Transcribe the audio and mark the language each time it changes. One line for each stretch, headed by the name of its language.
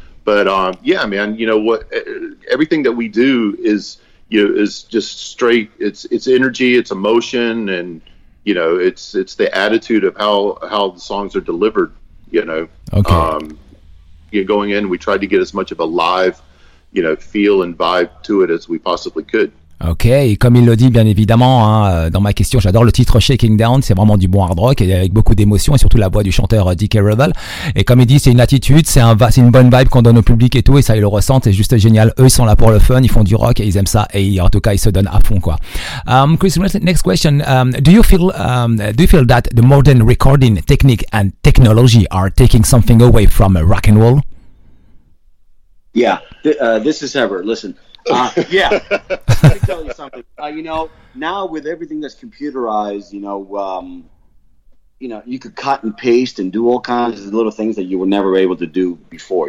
English: But everything that we do is is just straight. It's energy, it's emotion, and it's the attitude of how the songs are delivered. Going in, we tried to get as much of a live feel and vibe to it as we possibly could.
French: Ok, et comme il le dit, bien évidemment, hein, dans ma question, j'adore le titre Shaking Down, c'est vraiment du bon hard rock, et avec beaucoup d'émotion, et surtout la voix du chanteur DK Revel. Et comme il dit, c'est une attitude, c'est une bonne vibe qu'on donne au public et tout, et ça, ils le ressentent, c'est juste génial. Eux, ils sont là pour le fun, ils font du rock, et ils aiment ça, et en tout cas, ils se donnent à fond, quoi.
English: Chris, next question. Do you feel that the modern recording technique and technology are taking something away from rock and roll? Yeah, this is Ever. Listen. Yeah, let me tell you something. You know, now with everything that's computerized, you know, you could cut and paste and do all kinds of little things that you were never able to do before.